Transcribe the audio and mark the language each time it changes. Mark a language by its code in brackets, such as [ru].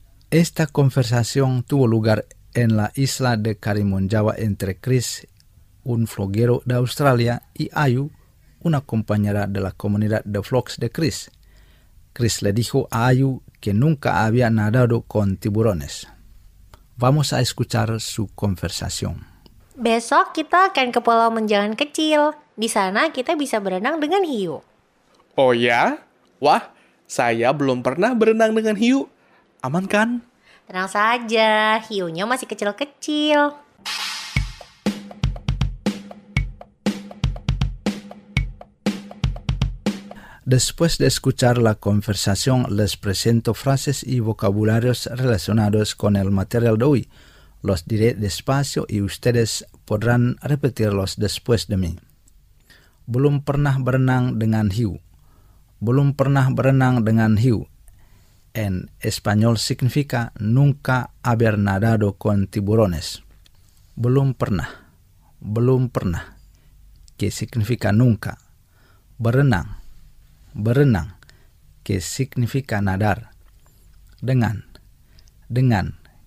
[es] Esta conversación tuvo lugar en la isla de Karimun Jawa entre Chris, un floguero de Australia, y Ayu, una compañera de la comunidad de Flocks de Chris. Chris le dijo a Ayu que nunca había nadado con tiburones. Vamos a escuchar su conversación. [id] Besok kita akan ke Pulau Menjangan Kecil. Di sana kita bisa berenang dengan hiu. Oh ya? Wah, saya belum pernah berenang dengan hiu. Aman kan? Tenang saja, hiunya masih kecil-kecil. [es] Después de escuchar la conversación, les presento frases y vocabularios relacionados con el material de hoy. Los diré despacio y ustedes podrán repetirlos después de mí. [id] Belum pernah berenang dengan hiu. Belum pernah berenang dengan hiu. [es] En español significa nunca haber nadado con tiburones. [id] Belum pernah. Belum pernah. [es] Que significa nunca. [id] Berenang. Berenang. [es] Que significa nadar. [id] Dengan. Dengan.